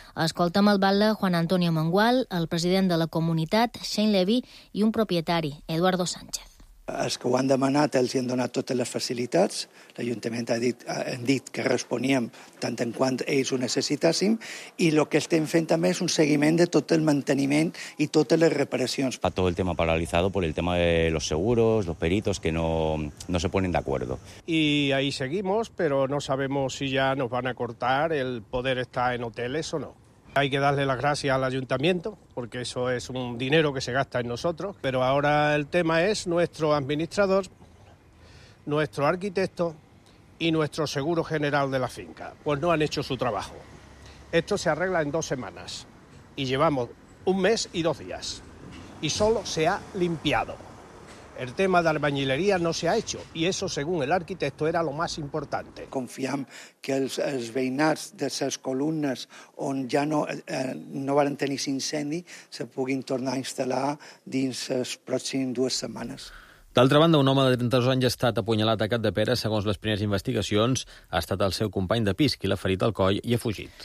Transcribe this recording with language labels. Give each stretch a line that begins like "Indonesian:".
Catalan: Escolta'm el batle Juan Antonio Mengual, el president de la comunitat, Shane Levy, i un propietari, Eduardo Sánchez. Els que ho han demanat els hi han donat totes les facilitats. L'Ajuntament ha dit que responíem tant en quant ells ho necessitéssim, i el que estem fent també és un seguiment de tot el manteniment i totes les reparacions.
Spanish: Está todo el tema paralizado por el tema de los seguros, los peritos, que no se ponen de acuerdo. Y ahí seguimos, pero no sabemos si ya nos van a cortar el poder estar en hoteles o no. Hay que darle las gracias al ayuntamiento, porque eso es un dinero que se gasta en nosotros. Pero ahora el tema es nuestro administrador, nuestro arquitecto y nuestro seguro general de la finca. Pues no han hecho su trabajo. Esto se arregla en 2 semanas y llevamos 1 mes y 2 días. Y solo se ha limpiado. El tema de albañilería no se ha hecho y eso, según el arquitecto, era lo más importante.
Catalan: Confiamos que els veïnats de les columnes on ja no van tenir incendi se puguin tornar a instal·lar dins les pròximes 2 setmanes. D'altra banda, un home de 32 anys ha estat apunyalat a Capdepera. Segons les primeres investigacions, ha estat el seu company de pis qui l'ha ferit al coll i ha fugit.